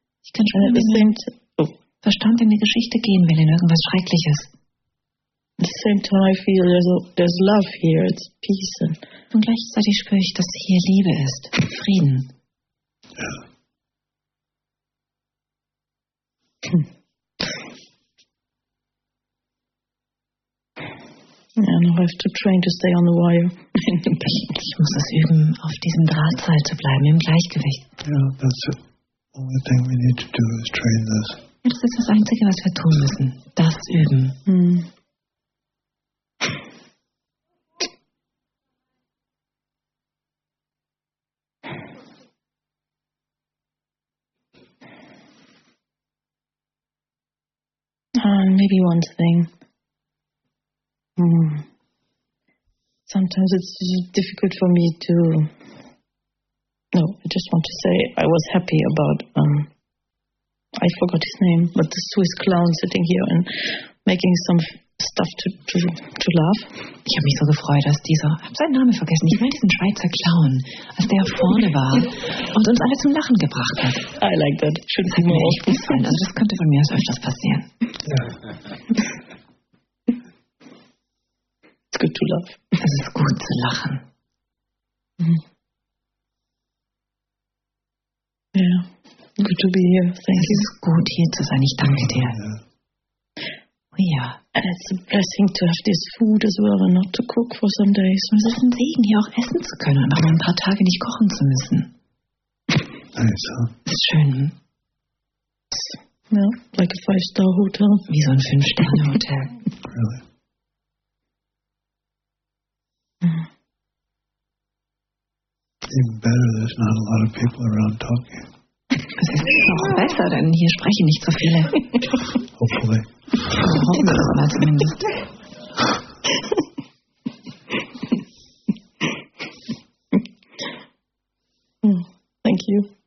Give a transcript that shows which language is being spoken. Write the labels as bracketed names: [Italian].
[German] Ich kann schon Verstand in die Geschichte gehen will, in irgendwas Schreckliches. [English] At the same time I feel there's love here, it's peace. [German] Und gleichzeitig spüre ich, dass hier Liebe ist, Frieden. [English] Yeah. Yeah, now I have to train to stay on the wire. [German] Ich muss es üben, auf diesem Drahtseil zu bleiben, im Gleichgewicht. [English] Yeah, that's the only thing we need to do is train this. [German] Ja, das ist das Einzige, was wir tun müssen. Das üben. Mm. [English] Maybe one thing. Sometimes it's difficult for me to. No, I just want to say I was happy about. I forgot his name, but the Swiss clown sitting here and making some stuff to laugh. [German] Ich habe mich so gefreut, dass dieser. Ich habe seinen Namen vergessen. Ich meine diesen Schweizer Clown, als der vorne war und uns alle zum Lachen gebracht hat. [English] I like that. Should be more often. [German] Also das könnte von mir aus öfters passieren. [English] Yeah. It's good to laugh. [German] Es ist gut zu lachen. [English] Mm. Yeah. Good to be here. Thank es you. [German] Es ist gut hier zu sein. Ich danke dir. Ja, [English] and it's a blessing to have this food as well and not to cook for some days. [German] Es ist ein Segen, hier auch essen zu können und auch mal ein paar Tage nicht kochen zu müssen. Also. Ist schön. [English] Ja, like a 5-star hotel. [German] Wie so ein 5-Sterne Hotel. [English] Really? Even better, there's not a lot of people around talking. [German] Es ist noch besser, denn hier sprechen nicht so viele. [English] Hopefully. [German] Hoffen wir das mal zumindest. [English] Thank you.